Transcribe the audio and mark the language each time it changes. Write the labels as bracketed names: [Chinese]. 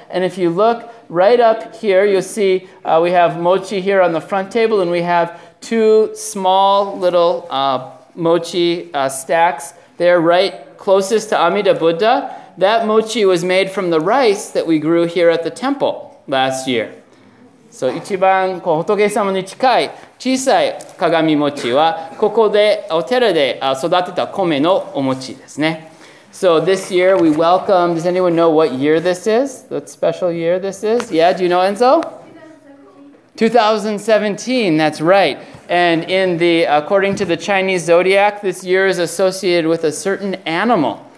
[English] And if you look right up here, you'll see we have mochi here on the front table, and we have two small little mochi stacks. They're right closest to Amida Buddha. That mochi was made from the rice that we grew here at the temple last year. [Japanese] So, 一番こう仏様に近い小さい鏡餅はここでお寺で育てた米のお餅ですね。 [English] So, this year we welcome, does anyone know what year this is? What special year this is? Yeah, do you know, Enzo? 2017, that's right. And in the according to the Chinese zodiac, this year is associated with a certain animal.